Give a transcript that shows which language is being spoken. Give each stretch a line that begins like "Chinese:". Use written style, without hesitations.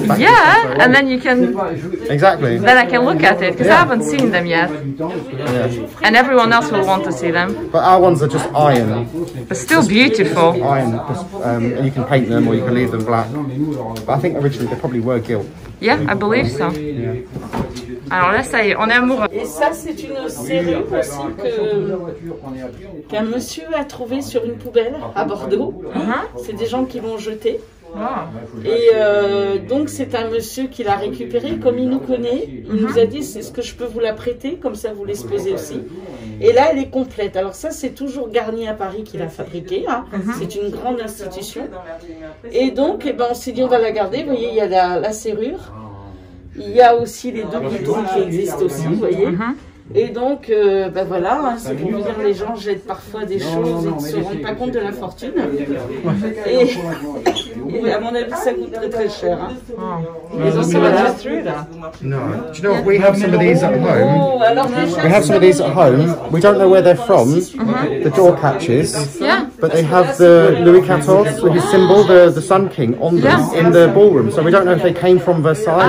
English: Yeah, and then you can. Exactly. Then I can look at it because yeah. I haven't seen them yet. Yeah. And everyone else will want to see them. But our ones are just iron. But still just beautiful. Iron. And you can paint them or you can leave them black. But I think originally they probably were gilt. Yeah, I believe so. Yeah.
French: Alors là, ça y est, on est amoureux. Et ça, c'est une série aussi qu'un monsieur a trouvé sur une poubelle à Bordeaux. Mm-hmm. C'est des gens qui vont jeter. Ah. Et donc c'est un monsieur qui l'a récupéré, comme il nous connaît, il nous a dit est-ce que je peux vous la prêter, comme ça vous l'exposez aussi. Et là elle est complète, alors ça c'est toujours Garnier à Paris qui l'a fabriquée, hein. C'est une grande institution. Et donc eh ben, on s'est dit on va la garder, vous voyez il y a la serrure, il y a aussi les deux boutons qui existent aussi, vous voyez. Et donc, ben voilà, hein, c'est pour vous dire, les gens jettent parfois des choses et ne se rendent pas compte de la fortune. Et à mon avis, ça coûte très très cher. Hein. Oh. Ils ont ça va juste rue, là. Non.
English: Do you know we have some of these at home? Oh, we have some of these at home. We don't know where they're from. Uh-huh. The door catches. Yeah. But they have the Louis XIV with his symbol, the Sun King, on them yeah. in the ballroom. So we don't know if they came from Versailles.